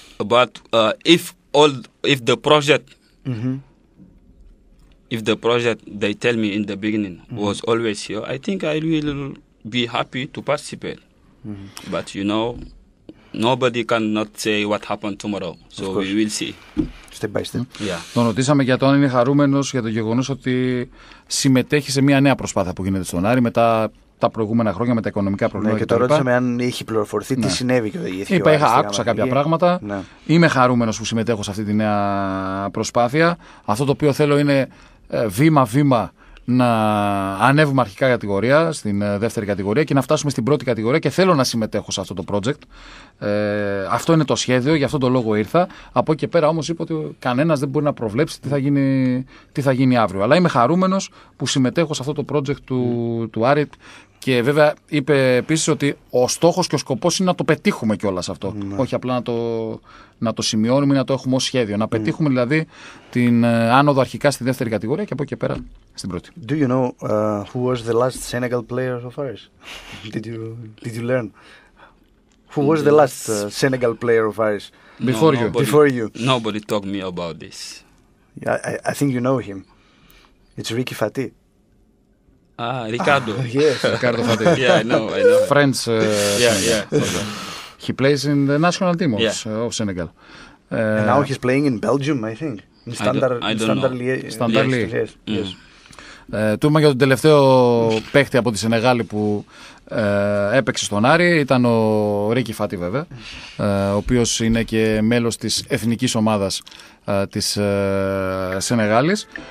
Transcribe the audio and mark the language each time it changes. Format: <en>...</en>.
<en>But if the project, if the project they tell me in the beginning was always here, I think I will be happy to participate. But you know, nobody cannot say what happened tomorrow. So we will see. Step by step. Yeah.</en> <el>Τον ρωτήσαμε για το αν είναι χαρούμενος για το γεγονός ότι συμμετέχει σε μια νέα προσπάθεια που γίνεται στον Άρη μετά τα προηγούμενα χρόνια με τα οικονομικά προβλήματα. Ναι, και το ρώτησαμε αν είχε πληροφορηθεί τι συνέβη και οδηγήθηκε. Είπα, άκουσα κάποια πράγματα. Ναι. Είμαι χαρούμενος που συμμετέχω σε αυτή τη νέα προσπάθεια. Αυτό το οποίο θέλω είναι βήμα-βήμα να ανέβουμε αρχικά κατηγορία, στην δεύτερη κατηγορία και να φτάσουμε στην πρώτη κατηγορία. Και θέλω να συμμετέχω σε αυτό το project. Αυτό είναι το σχέδιο, γι' αυτό το λόγο ήρθα. Από εκεί πέρα όμως είπα ότι κανένας δεν μπορεί να προβλέψει τι θα γίνει αύριο. Αλλά είμαι χαρούμενος που συμμετέχω σε αυτό το project του Άρη. Και βέβαια είπε επίσης ότι ο στόχος και ο σκοπός είναι να το πετύχουμε κιόλας αυτό. Ναι. Όχι απλά να το σημειώνουμε ή να το έχουμε ως σχέδιο. Να πετύχουμε δηλαδή την άνοδο αρχικά στη δεύτερη κατηγορία και από εκεί πέρα στην πρώτη.</el> <en>Do you know who was the last Senegal player of Aris? Did you learn? Who was the last Senegal player of Aris? Before you. Before you. Nobody talked me about this. Yeah, I think you know him. It's Ricky Fati. Ah, Ricardo. Yes. Ricardo Fati. Yeah, I know. Friends. Yeah. He plays in the national team of Senegal. And now he's playing in Belgium, I think. In Standard League.</en> <el>Του είπα για τον τελευταίο παίχτη από τη Σενεγάλη που έπαιξε στον Άρη. Ήταν ο Ρίκι Φάτι, βέβαια. Ο οποίος είναι και μέλος της εθνικής ομάδας της Σενεγάλης.</el>